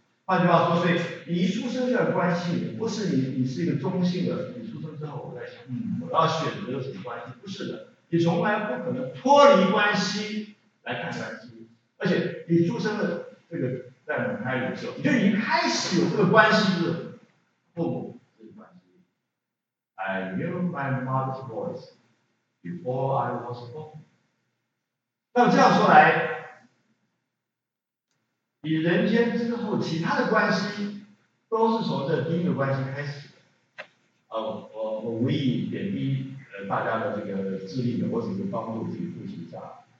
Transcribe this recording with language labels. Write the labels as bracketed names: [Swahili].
[Chinese] 换句话说，所以你一出生就要关系，不是你是一个中性的，你出生之后我在想，我要选择什么关系？不是的，你从来不可能脱离关系来看关系，而且你出生的这个在母胎里的时候，你就一开始有这个关系，就是父母。 [English] I knew my mother's voice before I was born。 [Chinese] 那么这样说来，你人间之后其他的关系都是从这第一个关系开始的。我无意贬低大家的这个智力的，我只是帮助自己复习一下。